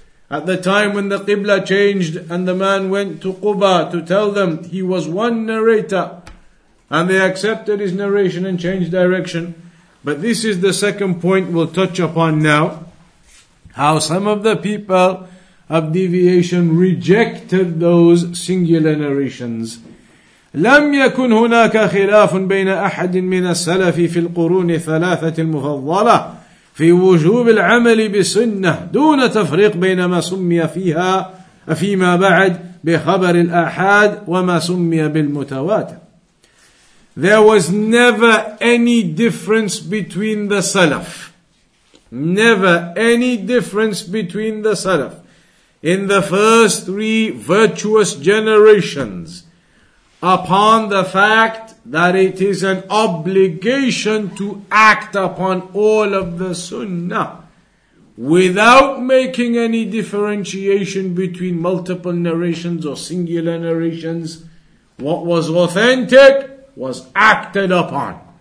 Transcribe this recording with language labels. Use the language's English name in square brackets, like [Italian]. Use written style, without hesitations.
[English] At the time when the qibla changed and the man went to Quba to tell them, he was one narrator. And they accepted his narration and changed direction. But this is the second point we'll touch upon now. How some of the people of deviation rejected those singular narrations. [Arabic] لم يكن هناك خلاف بين أحد من السلف في القرون الثلاثة المفضلة في وجوب العمل بالسنة دون تفريق بين ما سمي فيها فيما بعد بخبر الآحاد وما سمي بالمتواتر. [English] There was never any difference between the Salaf. Never any difference between the Salaf. In the first three virtuous generations, upon the fact that it is an obligation to act upon all of the sunnah, without making any differentiation between multiple narrations or singular narrations, what was authentic was acted upon.